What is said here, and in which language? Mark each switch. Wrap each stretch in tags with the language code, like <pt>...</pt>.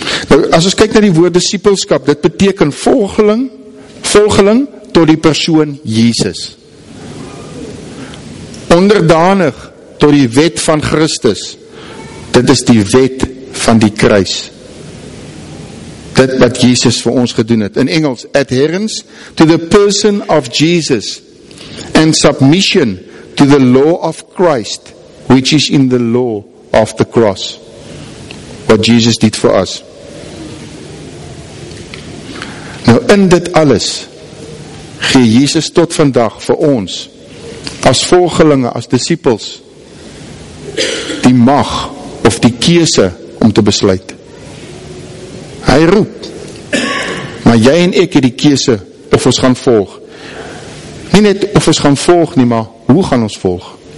<af>Nou, as ons kyk na die woord disipelskap, dit beteken volgeling tot die persoon Jesus. Onderdanig tot die wet van Christus. Dit is die wet van die kruis. Dit wat Jesus vir ons gedoen het. In Engels,</af> <en>adherence to the person of Jesus and submission to the law of Christ, which is in the law of the cross. What Jesus did for us.</en> <af>Nou, in dit alles gee Jesus tot vandag vir ons, as volgelinge,</af> <en>as disciples,</en> <af>die mag of die keuse om te besluit. Hy roep, maar jy en ek het die keuse of ons gaan volg. Nie net of ons gaan volg nie, maar hoe gaan ons volg?</af>